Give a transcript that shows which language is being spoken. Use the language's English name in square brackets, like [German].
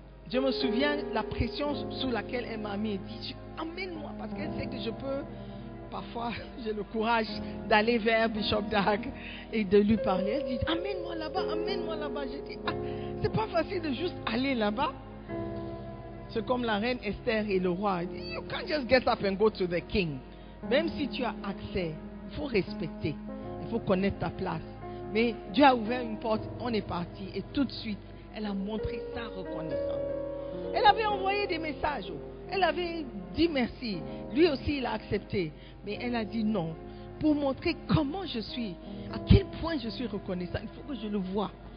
[French] Je me souviens la pression sous laquelle elle m'a mis. Elle dit amène-moi, parce qu'elle sait que je peux, parfois, j'ai le courage d'aller vers Bishop Dag et de lui parler. Elle dit amène-moi là-bas. Je dis c'est pas facile de juste aller là-bas. C'est comme la reine Esther et le roi. [English] You can't just get up and go to the king. [French] Même si tu as accès, il faut respecter. Il faut connaître ta place. Mais Dieu a ouvert une porte, on est parti. Et tout de suite, elle a montré sa reconnaissance. Elle avait envoyé des messages. Elle avait dit merci. Lui aussi, il a accepté. Mais elle a dit non. Pour montrer comment je suis, à quel point je suis reconnaissant, il faut que je le voie.